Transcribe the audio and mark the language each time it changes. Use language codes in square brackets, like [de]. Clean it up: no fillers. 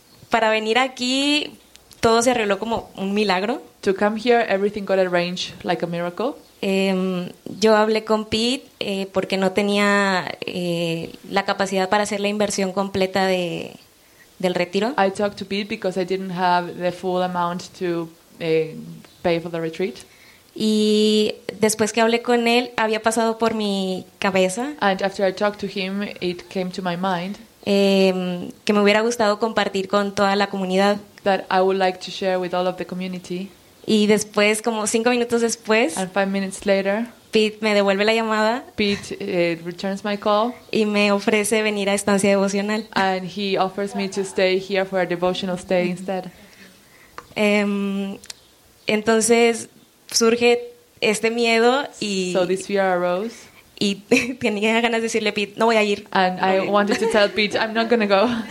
[es] Para venir aquí todo se arregló como un milagro. [en] To come here, everything got arranged like a miracle. [es] Yo hablé con Pete porque no tenía la capacidad para hacer la inversión completa de del retiro. [en] I talked to Pete because I didn't have the full amount to pay for the retreat. [es] Y después que hablé con él, había pasado por mi cabeza. [en] And after I talked to him, it came to my mind. [es] Que me hubiera gustado compartir con toda la comunidad. [en] That I would like to share with all of the community. [es] Y después, como 5 minutos después, [en] and 5 minutes later, [es] Pete me devuelve la llamada. [en] Pete returns my call. [es] Y me ofrece venir a estancia devocional. [en] And he offers me to stay here for a devotional stay instead. [es] Entonces surge este miedo y. [en] So this fear arose. [es] Y tenía ganas de decirle a Pete, no voy a ir. [en] And I wanted to tell Pete, I'm not gonna go.